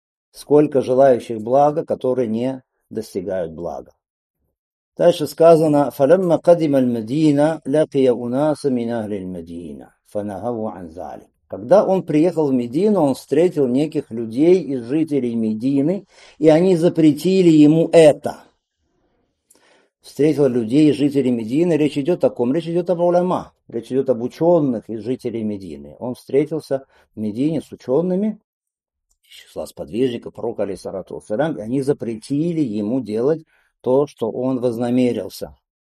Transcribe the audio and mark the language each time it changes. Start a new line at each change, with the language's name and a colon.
Russian: Сколько желающих блага, которые не достигают блага. Дальше сказано,
Arabic: فَلَمَّا قَدِمَ الْمَدِينَ لَقِيَ أُنَاسَ مِنَ أَهْلِ الْمَدِينَ فَنَهَوُ عَنْ ذَلِكَ.
Russian: Когда он приехал в Медину, он встретил неких людей из жителей Медины, и они запретили ему это. Встретил людей из жителей Медины, речь идет о ком? Речь идет об уляма, речь идет об ученых из жителей Медины. Он встретился в Медине с учеными, из числа сподвижников, пророка, алейхиссалату вассалям, и они запретили ему делать то, что он вознамерился.